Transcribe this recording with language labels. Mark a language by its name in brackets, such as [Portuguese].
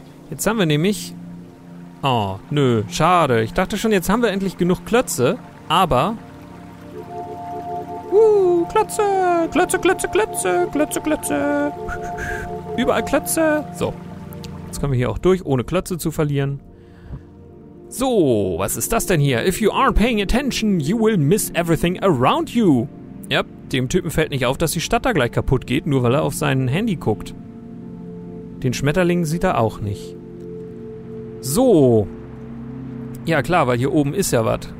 [German] Jetzt haben wir nämlich... Oh, nö, schade. Ich dachte schon, jetzt haben wir endlich genug Klötze, aber... Klötze, Klötze, Klötze, Klötze, Klötze, Klötze. Überall Klötze. So, jetzt kommen wir hier auch durch, ohne Klötze zu verlieren. So, was ist das denn hier? [English] If you aren't paying attention, you will miss everything around you. [German] Ja, dem Typen fällt nicht auf, dass die Stadt da gleich kaputt geht, nur weil er auf sein Handy guckt. Den Schmetterling sieht er auch nicht. So. Ja klar, weil hier oben ist ja was.